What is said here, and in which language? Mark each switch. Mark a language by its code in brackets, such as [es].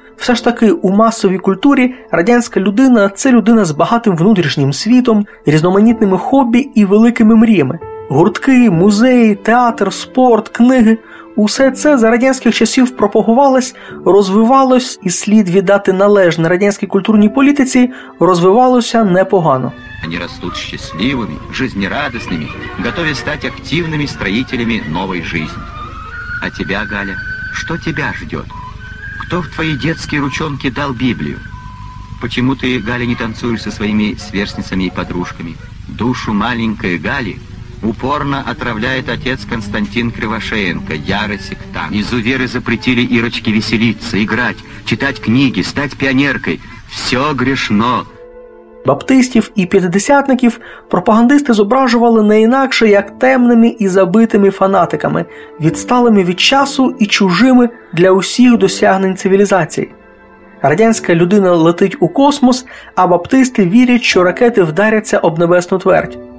[uk] Все ж таки у масовій культурі радянська людина – це людина з багатим внутрішнім світом, різноманітними хобі і великими мріями. Гуртки, музеї, театр, спорт, книги – усе це за радянських часів пропагувалось, розвивалось і слід віддати належне радянській культурній політиці розвивалося непогано. [ru] Они растут счастливыми, жизнерадостными, готові стать активными строителями новой жизни. А тебя, Галя, что тебя ждет? Кто в твои детские ручонки дал Библию? Почему ты, Галя, не танцуешь со своими сверстницами и подружками? Душу маленькой Гали упорно отравляет отец Константин Кривошеенко, ярый сектант. Изуверы запретили Ирочке веселиться, играть, читать книги, стать пионеркой. Все грешно. [uk] Баптистів і п'ятидесятників пропагандисти зображували не інакше, як темними і забитими фанатиками, відсталими від часу і чужими для усіх досягнень цивілізації. Радянська людина летить у космос, а баптисти вірять, що ракети вдаряться об небесну твердь.